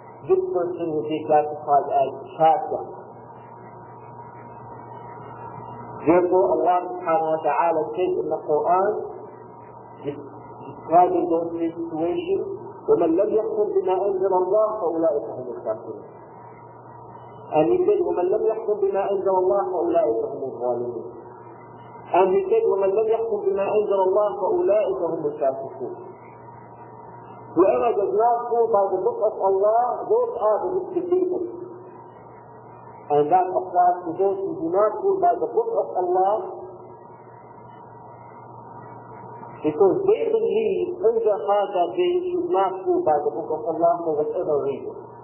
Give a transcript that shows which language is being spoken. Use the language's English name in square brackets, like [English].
[English] This person will be classified as Shaitan. Therefore, Allah subhanahu wa ta'ala says in the Quran, describing those three situations, [Arabic] وَمَنْ لَمْ يَحْكُمْ بِمَا أَنْزَلَ اللَّهُ فَأُولَٰئِكَ هُمُ الْكَافِرُونَ. [English] And he said, [Arabic] وَمَنْ لَمْ يَحْكُمْ بِمَا أَنْزَلَ اللَّهُ فَأُولَٰئِكَ هُمُ الظَّالِمُونَ. [English] And he said, [Arabic] وَمَنْ لَمْ يَحْكُمْ بِمَا أَنْزَلَ اللَّهُ فَأُولَٰئِكَ هُمُ الْكَافِرُونَ. [English] Whoever does not rule by the book of Allah, those are the disbelievers. And that applies to those who do not rule by the book of Allah, because they believe in their heart that they should not rule by the book of Allah for whatever reason.